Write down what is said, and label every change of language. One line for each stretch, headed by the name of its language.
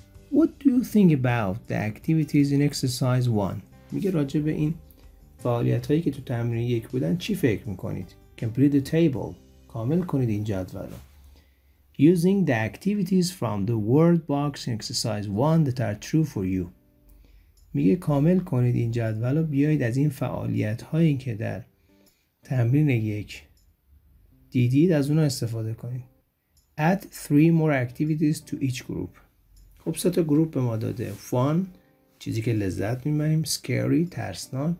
English: What do you think about the activities in exercise 1?
Persian: میگه راجع به این فعالیت هایی که تو تمرین 1 بودن چی فکر میکنید؟
English: Complete the table.
Persian: کامل کنید این جدول رو.
English: Using the activities from the word box in exercise 1 that are true for you.
Persian: میگه کامل کنید این جدول رو، بیایید از این فعالیت هایی که در تمرین 1 دیدید از اونا استفاده کنید.
English: Add 3 more activities to each group.
Persian: خب سه تا گروپ به ما داده. Fun، چیزی که لذت میبریم. Scary، ترسناک.